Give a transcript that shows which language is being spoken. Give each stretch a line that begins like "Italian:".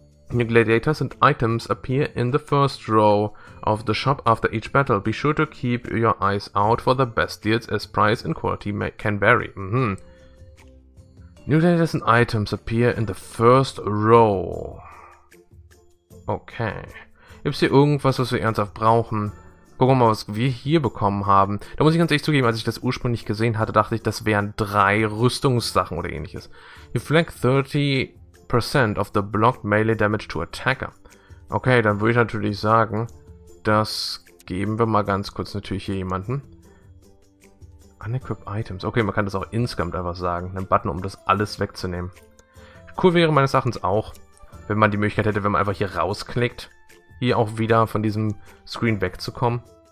English: New Gladiators and Items appear in the first row of the shop after each battle. Be sure to keep your eyes out for the best deals as price and quality can vary. Mhm. New Gladiators and Items appear in the first row. Okay.
German: Gibt es hier irgendwas, was wir ernsthaft brauchen? Gucken wir mal, was wir hier bekommen haben. Da muss ich ganz ehrlich zugeben, als ich das ursprünglich gesehen hatte, dachte ich, das wären 3 Rüstungssachen oder ähnliches.
English: Reflect 30% of the blocked melee damage to attacker.
German: Okay, dann würde ich natürlich sagen, das geben wir mal ganz kurz natürlich hier jemanden.
English: Unequip items.
German: Okay, man kann das auch insgesamt einfach sagen. Einen Button, um das alles wegzunehmen. Cool wäre meines Erachtens auch, wenn man die Möglichkeit hätte, wenn man einfach hier rausklickt, hier auch wieder von diesem Screen wegzukommen.